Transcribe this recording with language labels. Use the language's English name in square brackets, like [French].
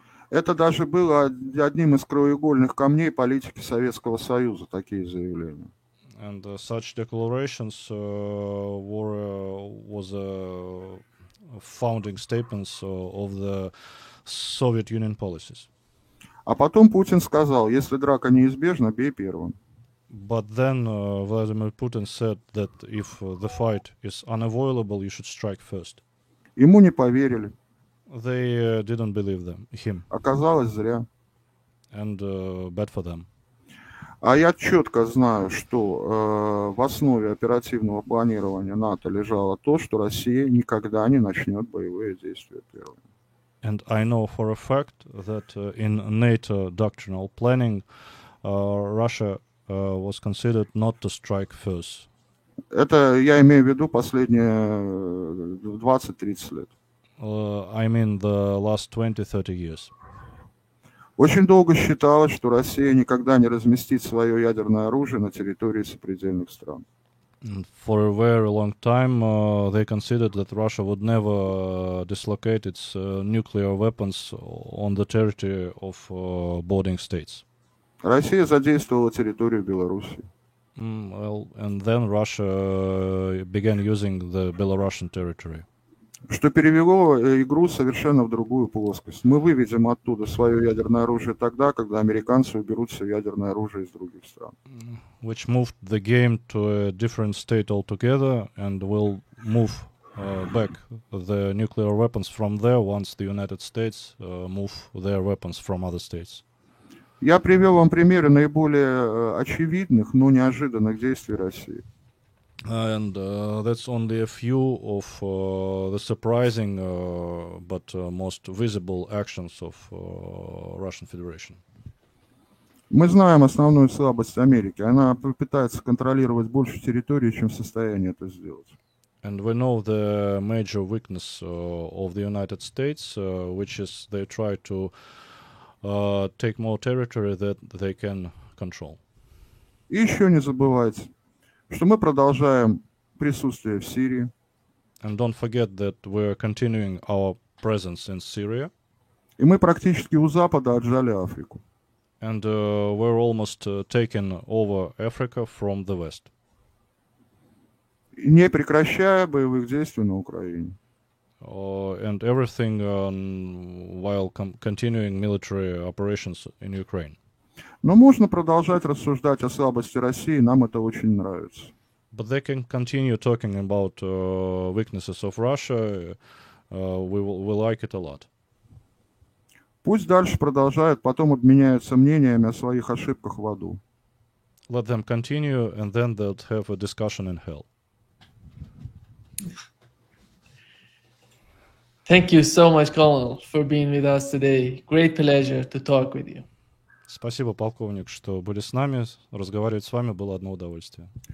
[Russian] Это даже было одним из краеугольных камней политики Советского Союза, такие заявления. [English] And such declarations was a founding statements of the Soviet Union policies. [Russian] А потом Путин сказал, если драка неизбежна, бей первым. [English] But then Vladimir Putin said that if the fight is unavoidable, you should strike first. [Russian] Ему не поверили. [English] They didn't believe them, him. [Russian] Оказалось зря. [English] And bad for them. [Russian] А я четко знаю, что в основе оперативного планирования НАТО лежало то, что Россия никогда не начнет боевые действия первыми. [English] And I know for a fact that in NATO doctrinal planning Russia was considered not to strike first. [Russian] Это я имею в виду последние 20-30 лет. [English] I mean the last 20-30 years. [Russian] Очень долго считалось, что Россия никогда не разместит свое ядерное оружие на территории сопредельных стран. [English] For a very long time, they considered that Russia would never dislocate its nuclear weapons on the territory of bordering states. [Russian] Россия задействовала территорию Белоруссии. [English] Well, and then Russia began using the Belarusian territory. [Russian] что перевело игру совершенно в другую плоскость. Мы выведем оттуда свое ядерное оружие тогда, когда американцы уберут все ядерное оружие из других стран. [English] Which moved the game to a different state altogether and will move back the nuclear weapons from there once the United States move their weapons from other states. [Russian] Я привел вам примеры наиболее очевидных, но неожиданных действий России. [English] And that's only a few of the surprising but most visible actions of Russian Federation. [Russian] Мы знаем основную слабость Америки. Она пытается контролировать больше территории, чем в состоянии это сделать. [English] And we know the major weakness of the United States, which is they try to take more territory that they can control. [Russian] И еще не забывайте, что мы продолжаем присутствие в Сирии. [English] And don't forget that we are continuing our presence in Syria. [Russian] И мы практически у Запада отжали Африку. [English] And we're almost taking over Africa from the West. [Russian] Не прекращая боевых действий на Украине. [English] And everything while continuing military operations in Ukraine. [Russian] Но можно продолжать рассуждать о слабости России, нам это очень нравится. [English] But they can continue talking about weaknesses of Russia. We like it a lot. [Russian] Пусть дальше продолжают, потом обменяются мнениями о своих ошибках в аду. [English] Let them continue, and then they'll have a discussion in hell. Thank you so much, Colonel, for being with us today. Great pleasure to talk with you. [Russian] Спасибо, полковник, что были с нами. Разговаривать с вами было одно удовольствие.